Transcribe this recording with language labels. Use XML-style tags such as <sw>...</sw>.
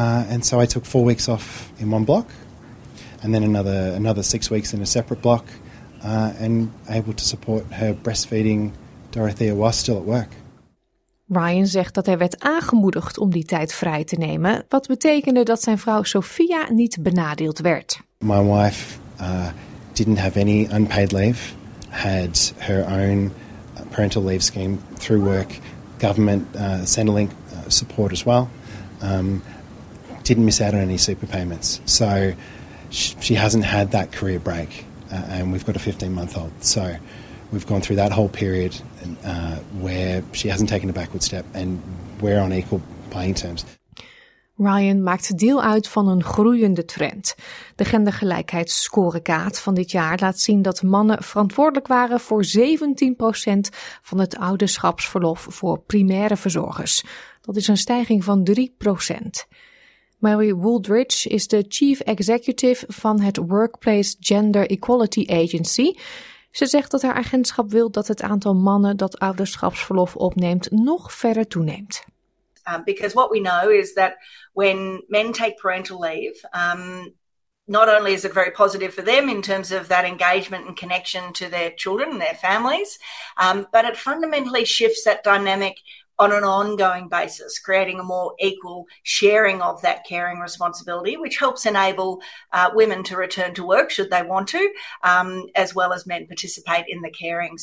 <en>And so I took 4 weeks off in one block, and then another 6 weeks in a separate block, and able to support her breastfeeding Dorothea while still at work.</en> <nl>Ryan zegt dat hij werd aangemoedigd om die tijd vrij te nemen, wat betekende dat zijn vrouw Sophia niet benadeeld werd.</nl> <en>My wife didn't have any unpaid leave, had her own parental leave scheme through work, government Centrelink support as well. Didn't miss out on any super payments, so she hasn't had that career break, and we've got a 15-month-old. So we've gone through that whole period where she hasn't taken a backward step and we're on equal playing terms.</en> <nl>Ryan maakt deel uit van een groeiende trend. De gendergelijkheidsscorekaart van dit jaar laat zien dat mannen verantwoordelijk waren voor 17% van het ouderschapsverlof voor primaire verzorgers. Dat is een stijging van 3%. Mary Wooldridge is de chief executive van het Workplace Gender Equality Agency. Ze zegt dat haar agentschap wil dat het aantal mannen dat ouderschapsverlof opneemt nog verder toeneemt.</nl> <en>Because what we know is that when men take parental leave, not only is it very positive for them in terms of that engagement and connection to their children and their families, but it fundamentally shifts that dynamic on an ongoing basis, creating a more equal sharing of that caring responsibility, which helps enable women to return to work should they want to, as well as men participate in the caring.</en>